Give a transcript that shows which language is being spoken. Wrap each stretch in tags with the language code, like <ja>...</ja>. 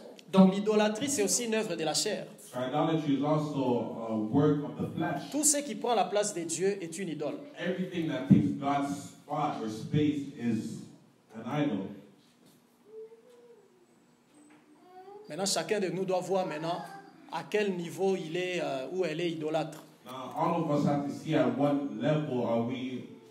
<fr>Donc l'idolâtrie, c'est aussi une œuvre de la chair.</fr> <en>So idolatry is also a work of the flesh.</en> <fr>Tout ce qui prend la place des dieux est une idole.</fr> <en>Everything that takes God's spot or space is an idol.</en> <fr>Maintenant, chacun de nous doit voir maintenant à quel niveau il est où elle est idolâtre.</fr> <en>Now all of us have to see at what level are we</en>